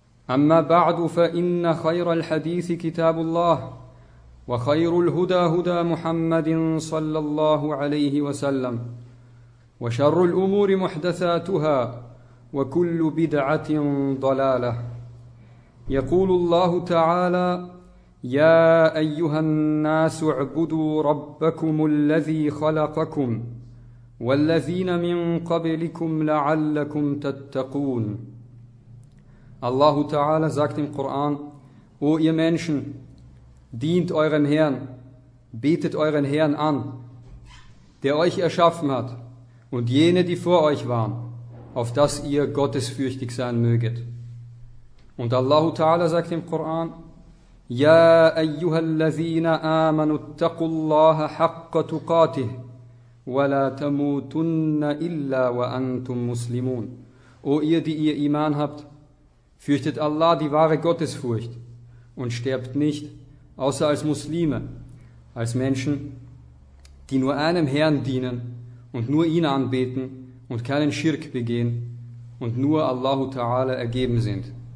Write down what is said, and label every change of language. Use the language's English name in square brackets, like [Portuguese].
[Arabic] أما بعد، فإن خير الحديث كتاب الله وخير الهدى هدى محمد صلى الله عليه وسلم، وشر الأمور محدثاتها وكل بدعة ضلالة. يقول الله تعالى: يا أيها الناس اعبدوا ربكم الذي خلقكم والذين من قبلكم لعلكم تتقون. [German] الله تعالى sagt im Koran: O ihr Menschen, dient eurem Herrn, betet euren Herrn an, der euch erschaffen hat und jene, die vor euch waren, auf dass ihr gottesfürchtig sein möget. Und Allah Ta'ala sagt im Koran: Ja, [Arabic] أيها الذين آمنوا اتقوا الله حق تقاته ولا تموتن إلا وأنتم مسلمون. [German] O ihr, die ihr Iman habt, fürchtet Allah, die wahre Gottesfurcht, und sterbt nicht, außer als Muslime, als Menschen, die nur einem Herrn dienen und nur ihn anbeten und keinen Schirk begehen und nur Allah Ta'ala ergeben sind.